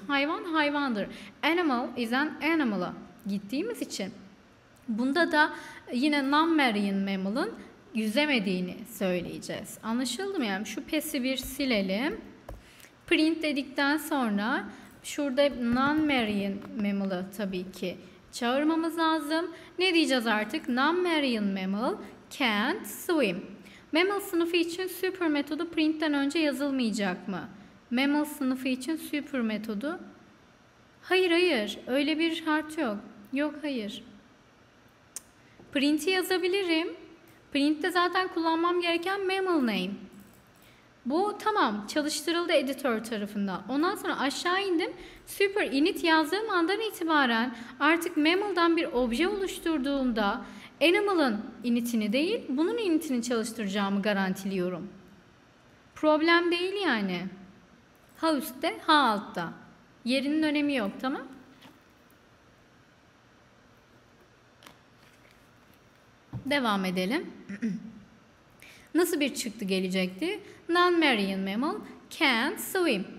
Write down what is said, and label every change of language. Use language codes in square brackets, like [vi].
[tr] Hayvan hayvandır. [en] Animal is an animal'a [tr] gittiğimiz için bunda da yine non-marine mammal'ın yüzemediğini söyleyeceğiz. Anlaşıldı mı? Yani şu pesi bir silelim. Print dedikten sonra şurada non-marine mammal'ı tabii ki çağırmamız lazım. Ne diyeceğiz artık? [en] Non-marine mammal can't swim. [tr] Mammal sınıfı için super metodu print'ten önce yazılmayacak mı? Mammal sınıfı için super metodu. Hayır. Öyle bir şart yok. Yok hayır. Print'i yazabilirim. Print'te zaten kullanmam gereken mammal name. Bu tamam çalıştırıldı editör tarafından. Ondan sonra aşağı indim. Super init yazdığım andan itibaren artık mammal'dan bir obje oluşturduğumda animal'ın initini değil, bunun initini çalıştıracağımı garantiliyorum. Problem değil yani. Ha üstte, ha altta. Yerinin önemi yok, tamam? Devam edelim. Nasıl bir çıktı gelecekti? [en] Non-marine mammal can't swim.